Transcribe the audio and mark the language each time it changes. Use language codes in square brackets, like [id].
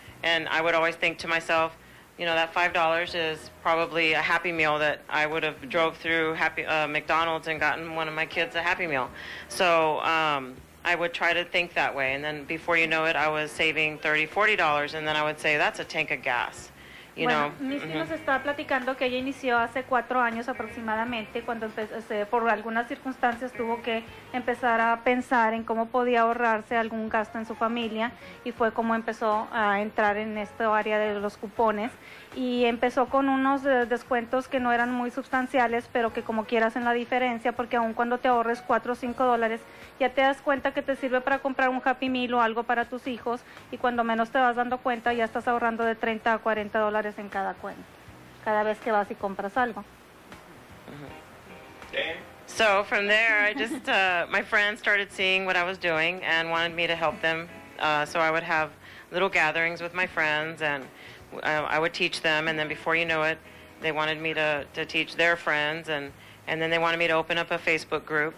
[en] And I would always think to myself, you know, that $5 is probably a Happy Meal that I would have drove through McDonald's and gotten one of my kids a Happy Meal. So I would try to think that way. And then before you know it, I was saving $30, $40, and then I would say, that's a tank of gas. [es] Missy nos está platicando que ella inició hace 4 años aproximadamente, cuando por algunas circunstancias tuvo que empezar a pensar en cómo podía ahorrarse algún gasto en su familia, y fue como empezó a entrar en esta área de los cupones, y empezó con unos descuentos que no eran muy sustanciales, pero que como quieras en la diferencia, porque aun cuando te ahorres $4 o $5, ya te das cuenta que te sirve para comprar un Happy Meal o algo para tus hijos, y cuando menos te vas dando cuenta, ya estás ahorrando de $30 a $40 en cada cuenta, cada vez que vas y compras algo. [en] So from there, I just my friends started seeing what I was doing and wanted me to help them, so I would have little gatherings with my friends, and I would teach them, and then before you know it, they wanted me to teach their friends, and then they wanted me to open up a Facebook group.